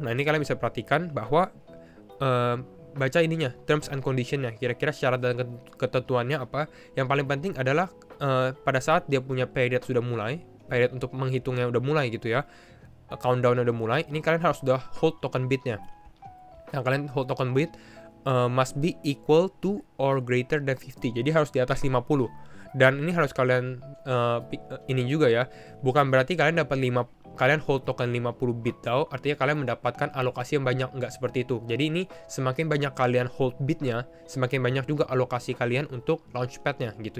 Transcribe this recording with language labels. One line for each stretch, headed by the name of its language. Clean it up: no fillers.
Indonesian: Nah, ini kalian bisa perhatikan bahwa baca ininya, terms and condition-nya, kira-kira syarat dan ketentuannya apa. Yang paling penting adalah pada saat dia punya period sudah mulai, period untuk menghitungnya udah mulai gitu ya. Countdown udah mulai, ini kalian harus sudah hold token bitnya. Nah, kalian
English: hold token bit must be equal to or greater than 50.
Indonesian: Jadi harus di atas 50. Dan ini harus kalian ini juga ya. Bukan berarti kalian dapat 5, kalian hold token 50 bit tau, artinya kalian mendapatkan alokasi yang banyak, enggak seperti itu. Jadi ini semakin banyak kalian hold bitnya, semakin banyak juga alokasi kalian untuk launchpad-nya gitu.